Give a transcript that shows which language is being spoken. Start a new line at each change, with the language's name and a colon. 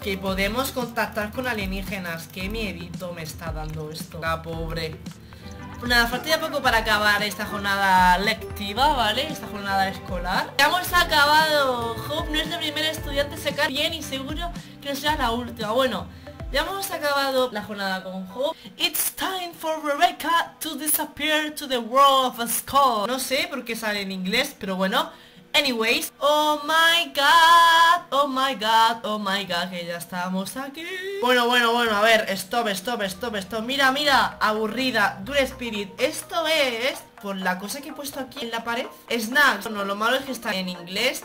Spanish: Que podemos contactar con alienígenas. Qué miedito me está dando esto. La pobre. Nada, falta ya poco para acabar esta jornada lectiva, ¿vale? Esta jornada escolar. ¡Ya hemos acabado! Hope, no es la primera estudiante a sacar bien y seguro que sea la última. Bueno, ya hemos acabado la jornada con Hope.
English: It's time for Rebecca to disappear to the world of Skull.
Spanish: No sé por qué sale en inglés, pero bueno.
English: Anyways. Oh my god. Oh my god. Oh my god.
Spanish: Que ya estamos aquí. Bueno, bueno, bueno. A ver.
English: Stop, stop, stop, stop.
Spanish: Mira, mira. Aburrida. Dure Spirit. Esto es... Por la cosa que he puesto aquí en la pared. Snacks. Bueno, lo malo es que está en inglés.